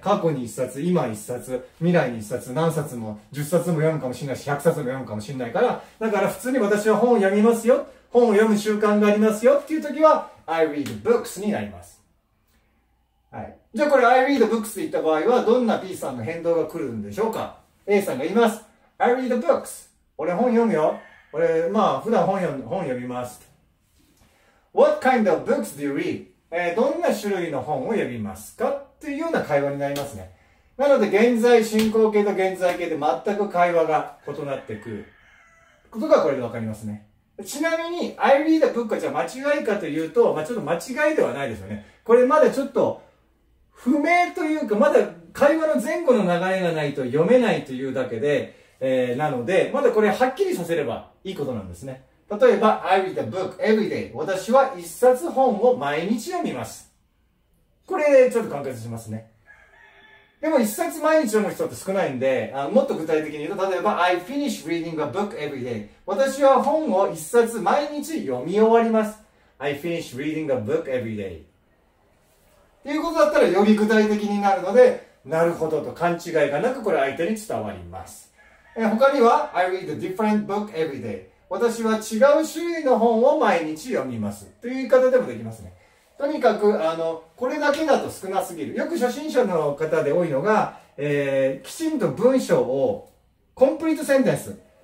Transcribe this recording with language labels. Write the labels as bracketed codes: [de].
[ja] 過去に一冊、今一冊、未来に一冊、何冊も、十冊も読むかもしれないし、百冊も読むかもしれないから、だから普通に私は本を読みますよ、本を読む習慣がありますよっていう時は、 [en] I read books [ja] になります。はい。じゃあこれ I read books って言った場合は、どんな B さんの変動が来るんでしょうか。 A さんが言います。 [en] I read books。 [ja] 俺本読むよ。俺、まあ、普段本読みます。 [en] What kind of books do you read? [ja] どんな種類の本を読みますかっていうような会話になりますね。なので、現在進行形と現在形で全く会話が異なってくることがこれでわかりますね。ちなみに、 [en] I read a book [ja] じゃ間違いかというと、まあ、ちょっと間違いではないですよね。これまだちょっと不明というか、まだ会話の前後の流れがないと読めないというだけで、なので、まだこれはっきりさせればいいことなんですね。例えば、 [en] I read a book every day. [ja] 私は一冊本を毎日読みます。これ、ちょっと簡潔しますね。でも、一冊毎日読む人って少ないんで、もっと具体的に言うと、例えば、 [en] I finish reading a book every day. [ja] 私は本を一冊毎日読み終わります。 [en] I finish reading a book every day. [ja] っていうことだったら、より具体的になるので、なるほどと勘違いがなく、これ相手に伝わります。他には、 [en] I read a different book every day. [ja] 私は違う種類の本を毎日読みます。という言い方でもできますね。とにかく、これだけだと少なすぎる。よく初心者の方で多いのが、きちんと文章を、コンプリートセンテンス。